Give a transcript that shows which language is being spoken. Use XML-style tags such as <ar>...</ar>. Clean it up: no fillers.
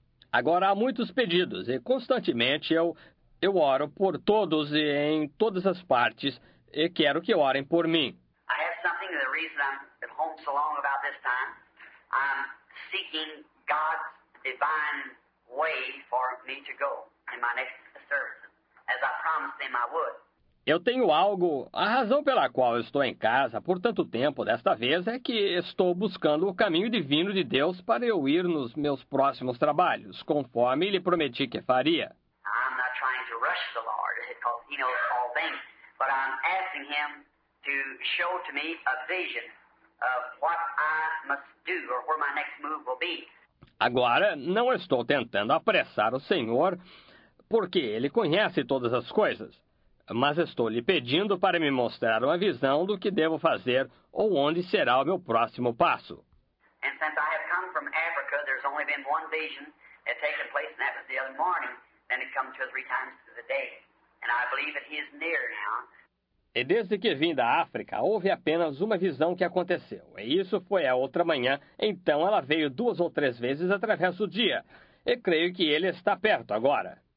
<pt>Agora há muitos pedidos, e constantemente eu oro por todos e em todas as partes, e quero que orem por mim.</pt> <en>I have something, the reason I'm at home so long about this time, seeking God's divine way for me to go in my next service, as I promised him I would.</en> <pt>Eu tenho algo, a razão pela qual eu estou em casa por tanto tempo desta vez é que estou buscando o caminho divino de Deus para eu ir nos meus próximos trabalhos, conforme lhe prometi que faria.</pt> <en>I'm not trying to rush the Lord, because he knows all things, but I'm asking him to show to me a vision of what I must do or where my next move will be.</en> <pt>Agora, não estou tentando apressar o Senhor, porque ele conhece todas as coisas, mas estou lhe pedindo para me mostrar uma visão do que devo fazer ou onde será o meu próximo passo.</pt> <en>And since I have come from Africa, there's only been one vision that taken place, and that was the other morning. Then it comes two or three times to the day. And I believe that he is near now.</en> <pt>E desde que vim da África, houve apenas uma visão que aconteceu. E isso foi a outra manhã, então ela veio duas ou três vezes através do dia. E creio que ele está perto agora.</pt>